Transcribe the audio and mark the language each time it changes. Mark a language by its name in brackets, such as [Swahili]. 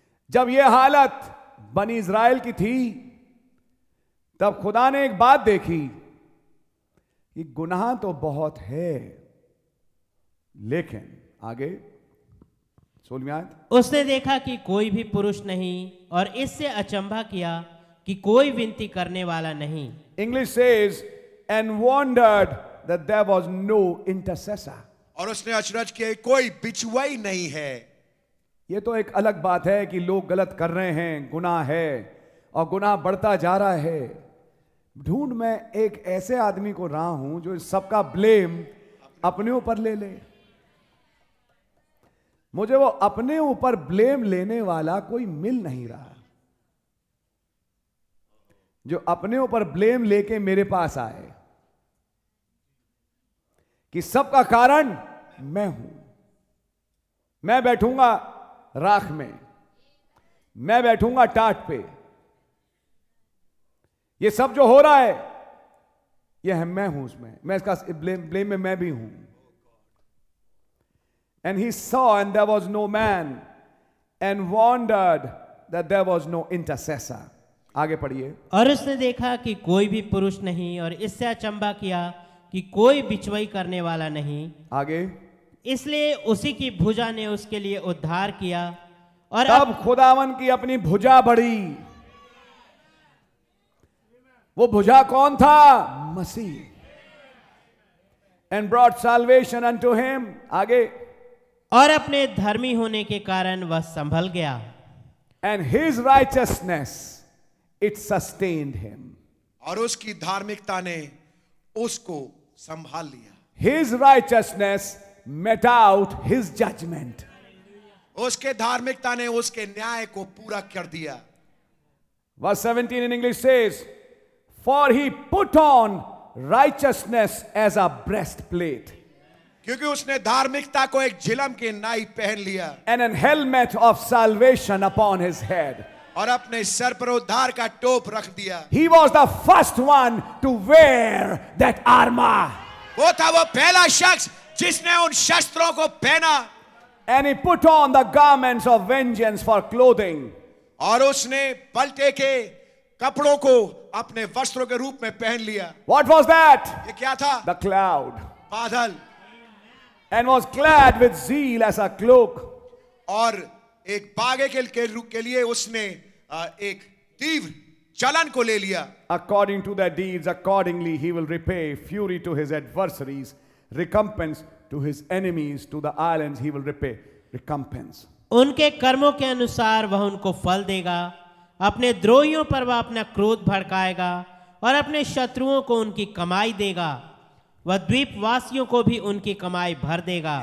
[Hindi] जब ये हालत बनी इसराइल की थी तब खुदा ने एक बात देखी कि गुनाह तो बहुत है लेकिन आगे उसने देखा कि कोई भी पुरुष नहीं और इससे अचंभा किया कि कोई विनती करने वाला नहीं. [English] English says and wondered that there was no intercessor. [Hindi] और उसने अचरज किया कोई बिचवाई नहीं है. ये तो एक अलग बात है कि लोग गलत कर रहे हैं, गुनाह है और गुनाह बढ़ता जा रहा है. ढूंढ मैं एक ऐसे आदमी को रहा हूं जो सबका ब्लेम अपने ऊपर ले ले. मुझे वो अपने ऊपर ब्लेम लेने वाला कोई मिल नहीं रहा जो अपने ऊपर ब्लेम लेके मेरे पास आए कि सबका कारण मैं हूं. मैं बैठूंगा राख में, मैं बैठूंगा टाट पे, ये सब जो हो रहा है ये है मैं हूं उसमें, मैं इसका ब्लेम में मैं भी हूं. [English] And he saw and there was no man and wondered that there was no intercessor. [Hindi] आगे पढ़िए. और उसने देखा कि कोई भी पुरुष नहीं और इससे अचंभा किया कि कोई बिचवाई करने वाला नहीं. आगे. इसलिए उसी की भुजा ने उसके लिए उद्धार किया और अब खुदावन की अपनी भुजा बढ़ी. वो भुजा कौन था? मसीह. [English] And brought salvation unto him. [Hindi] आगे. और अपने धर्मी होने के कारण वह संभल गया. [English] And his righteousness it sustained him. [Hindi] और उसकी धार्मिकता ने उसको संभाल लिया. [English] His righteousness met out his judgment. [Hindi] उसके धार्मिकता ने उसके न्याय को पूरा कर दिया. [English] Verse 17 in English says, "For he put on righteousness as a breastplate." [Hindi] क्योंकि उसने धार्मिकता को एक झिलम की नाई पहन लिया. [English] And an helmet of salvation upon his head. [Hindi] और अपने सर पर उद्धार का टोप रख दिया. [English] He was the first one to wear that armor. [Hindi] वो था वो पहला शख्स जिसने उन शस्त्रों को पहना. [English] And he put on the garments of vengeance for clothing. [Hindi] और उसने पलटे के कपड़ों को अपने वस्त्रों के रूप में पहन लिया. [English] What was that? [Hindi] ये क्या था? [English] The cloud. [Hindi] बादल. [English] And was clad with zeal as a cloak. [Hindi] और एक बागे के लिए उसने एक तीव्र चलन को ले लिया. [English] According to their deeds, accordingly he will repay fury to his adversaries, recompense to his enemies, to the islands he will repay recompense. [Hindi] उनके कर्मों के अनुसार वह उनको फल देगा, अपने द्रोहियों पर वह अपना क्रोध भड़काएगा और अपने शत्रुओं को उनकी कमाई देगा. वह द्वीप वासियों को भी उनकी कमाई भर देगा.